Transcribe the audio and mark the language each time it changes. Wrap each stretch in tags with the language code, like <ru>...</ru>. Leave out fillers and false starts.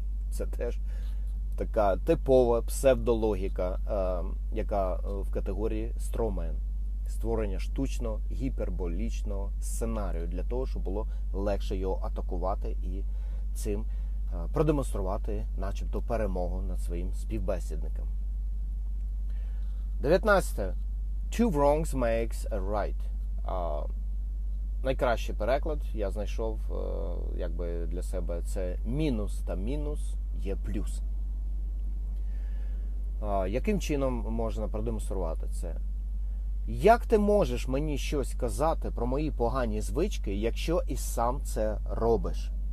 <uk>Це теж така типова псевдологіка, яка в категорії строумен. Створення штучного гіперболічного сценарію для того, щоб було легше його атакувати і цим продемонструвати начебто перемогу над своїм співбесідником. 19.</uk> <en>Two wrongs makes a right.</en> <uk>Найкращий переклад я знайшов якби для себе. Це мінус та мінус є плюс. Яким чином можна продемонструвати це? Як ти можеш мені щось казати про мої погані звички, якщо і сам це робиш?</uk>